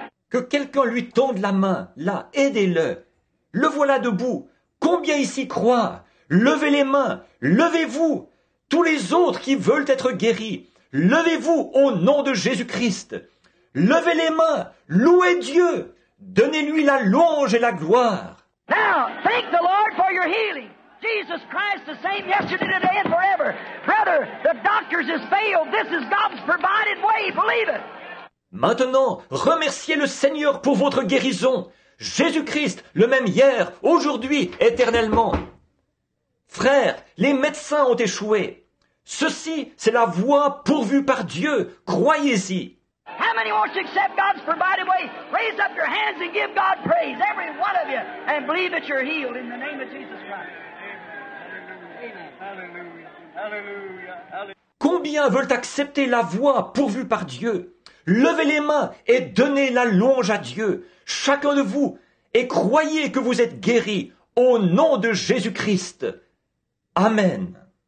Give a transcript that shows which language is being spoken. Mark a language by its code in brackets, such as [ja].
[fr] Que quelqu'un lui tende la main, là, aidez-le. Le voilà debout. Combien ici croient? Levez les mains, levez-vous, tous les autres qui veulent être guéris, levez-vous au nom de Jésus-Christ. Levez les mains, louez Dieu, donnez-lui la louange et la gloire. [en] Now, thank the Lord for your healing. Jesus Christ the same yesterday, today and forever. Brother, the doctors has failed. This is God's provided way. Believe it. [fr] Maintenant, remerciez le Seigneur pour votre guérison. Jésus-Christ, le même hier, aujourd'hui, éternellement. Frères, les médecins ont échoué. Ceci, c'est la voie pourvue par Dieu. Croyez-y. [en] How many want to accept God's provided way? Raise up your hands and give God praise, every one of you, and believe that you're healed in the name of Jesus Christ. [fr] Combien veulent accepter la voix pourvue par Dieu? Levez les mains et donnez la louange à Dieu, chacun de vous, et croyez que vous êtes guéri au nom de Jésus-Christ. Amen.